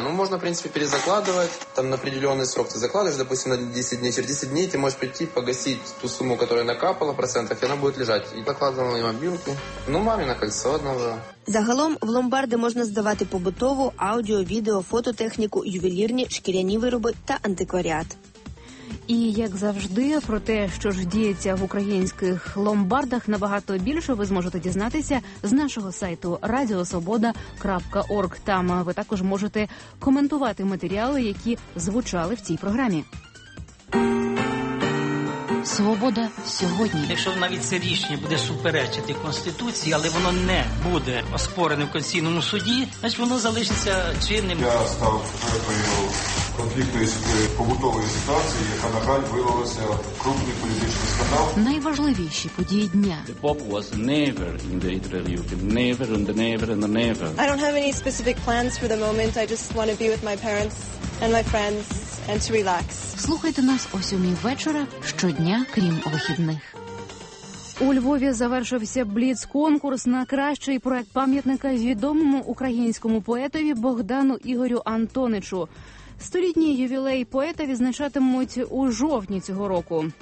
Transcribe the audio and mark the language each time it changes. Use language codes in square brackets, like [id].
[ru] Ну, можно, в принципе, перезакладывать. Там на определенный срок ты закладываешь, допустим, на 10 дней. Через 10 дней ты можешь прийти, погасить ту сумму, которая накапала в процентах, и она будет лежать. И закладывал на мобилку. Ну, маме на кольцо одного. [uk] Загалом в ломбарди можна здавати побутову, аудіо, відео, фототехніку, ювелірні, шкіряні вироби та антикваріат. І, як завжди, про те, що ж діється в українських ломбардах, набагато більше ви зможете дізнатися з нашого сайту radiosvoboda.org. Там ви також можете коментувати матеріали, які звучали в цій програмі. Свобода сьогодні. Якщо навіть це рішення буде суперечити Конституції, але воно не буде оспорене в Конституційному суді, значить воно залишиться чинним. Я став жертвою конфліктної побутової ситуації, яка, на жаль, виявилася крупний політичний скандал. Найважливіші події дня. [en] The Pop was never in the interview. Never and never and never. I don't have any specific plans for the moment. I just want to be with my parents and my friends. And to relax. [uk] Слухайте нас о 7:00 вечора щодня, крім вихідних. У Львові завершився бліц-конкурс на кращий проект пам'ятника відомому українському поетові Богдану Ігорю Антоничу. Столітній ювілей поета відзначатимуть у жовтні цього року.